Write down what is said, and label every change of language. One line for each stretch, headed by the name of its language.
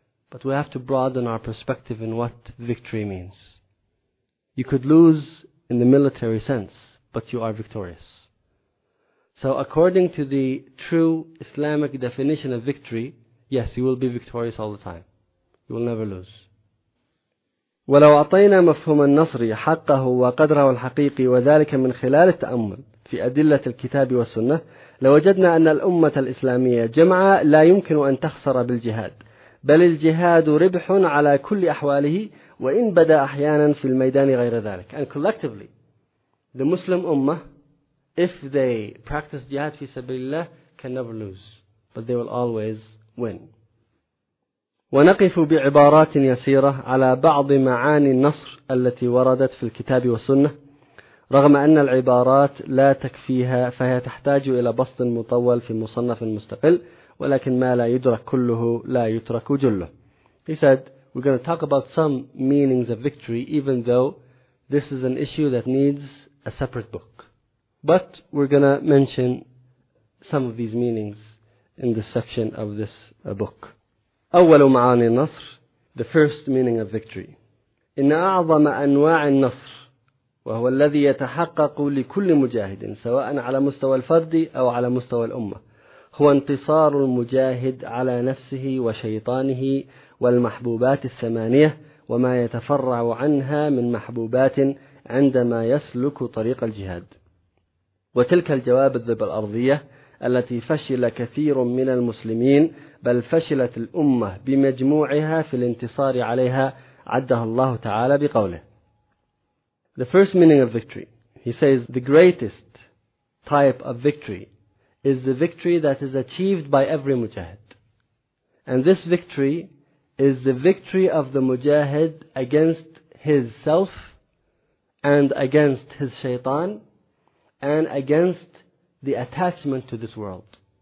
English: But we have to broaden our perspective in what victory means. You could lose in the military sense, but you are victorious. So according to the true Islamic definition of victory, yes, you will be victorious all the time. You will never lose.
Arabic: وَلَوْ أَطَيْنَا مَفْهُمَ النَّصْرِ حَقَّهُ وَقَدْرَهُ الْحَقِيقِ وَذَلِكَ مِنْ خِلَالِ التَّأَمُّلِ في أدلة الكتاب والسنة لوجدنا أن الأمة الإسلامية جمعاء لا يمكن أن تخسر بالجهاد، بل الجهاد ربح على كل أحواله وإن بدأ أحيانا في الميدان غير ذلك.
English: And collectively, the Muslim Ummah, if they practice jihad
Arabic: في سبيل الله,
English: can never lose, but they will always win.
Arabic: ونقف بعبارات يسيرة على بعض معاني النصر التي وردت في الكتاب والسنة رغم أن العبارات لا تكفيها فهي تحتاج إلى بسط مطول في مصنف مستقل ولكن ما لا يدرك كله لا يترك جله.
English: He said, we're going to talk about some meanings of victory even though this is an issue that needs a separate book. But we're going to mention some of these meanings in this section of this book.
Arabic: أول معاني النصر,
English: the first meaning of victory.
Arabic: إن أعظم أنواع النصر وهو الذي يتحقق لكل مجاهد سواء على مستوى الفرد أو على مستوى الأمة هو انتصار المجاهد على نفسه وشيطانه والمحبوبات الثمانية وما يتفرع عنها من محبوبات عندما يسلك طريق الجهاد وتلك الجوابذ الأرضية التي فشل كثير من المسلمين بل فشلت الأمة بمجموعها في الانتصار عليها عدها الله تعالى بقوله.
English: The first meaning of victory, he says, the greatest type of victory is the victory that is achieved by every mujahid. And this victory is the victory of the mujahid against his self and against his shaitan and against the attachment to this world.